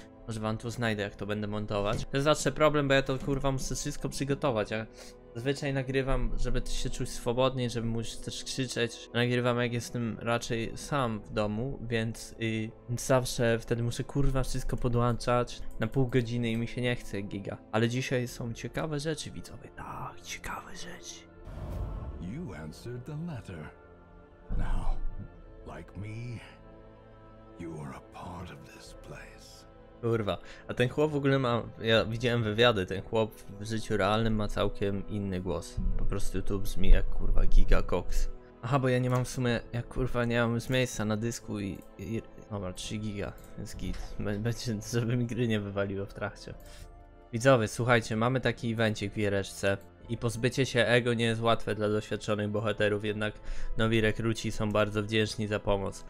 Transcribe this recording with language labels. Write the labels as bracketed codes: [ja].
[pl] Może wam tu znajdę, jak to będę montować. To jest zawsze problem, bo ja to, kurwa, muszę wszystko przygotować, a zwyczaj nagrywam, żeby się czuć swobodniej, żeby móc też krzyczeć. Nagrywam, jak jestem raczej sam w domu, więc zawsze wtedy muszę, kurwa, wszystko podłączać na pół godziny i mi się nie chce giga. Ale dzisiaj są ciekawe rzeczy, widzowie. Tak, ciekawe rzeczy. [en] You answered the letter. Now, like me, you are a part of this place. [pl] Kurwa, a ten chłop w ogóle ma, ja widziałem wywiady, ten chłop w życiu realnym ma całkiem inny głos. Po prostu tu brzmi jak, kurwa, giga koks. Aha, bo ja nie mam w sumie, ja, kurwa, nie mam już miejsca na dysku i dobra, 3 giga, więc git. Będzie, żeby mi gry nie wywaliło w trakcie. Widzowie, słuchajcie, mamy taki evencik w giereczce i pozbycie się ego nie jest łatwe dla doświadczonych bohaterów, jednak nowi rekruci są bardzo wdzięczni za pomoc.